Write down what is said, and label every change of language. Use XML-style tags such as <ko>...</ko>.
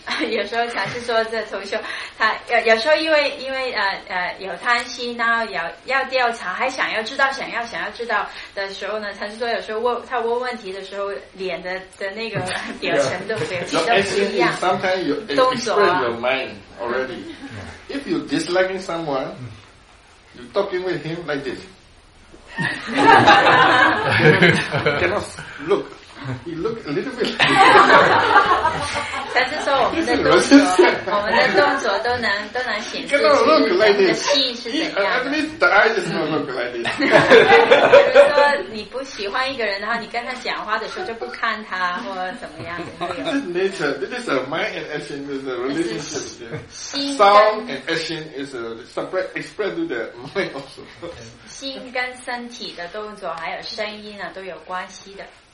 <zh>有时候禅师说这同修他有时候因为有贪心，然后要调查，还想要知道的时候呢，禅师说有时候他问问题的时候脸的那个表情都不一样，动作啊，</zh> <en>your mind already. If you disliking someone, you talking with him like this. cannot look You look a little bit. That is all.</en> <zh>我们的动作，我们的动作都能都能显示。</zh> <en>Cannot look like this.</en> <zh>你的气是怎样？</zh> <en>At least the eye does not look like this.</en> <zh>比如说，你不喜欢一个人，然后你跟他讲话的时候就不看他，或怎么样？</zh> <en>Nature. This is a mind and action is a relationship.</en> <zh>心</zh> <en>Sound and action is a separate expressed through the mind also.</en> <zh>心跟身体的动作还有声音啊，都有关系的。</zh>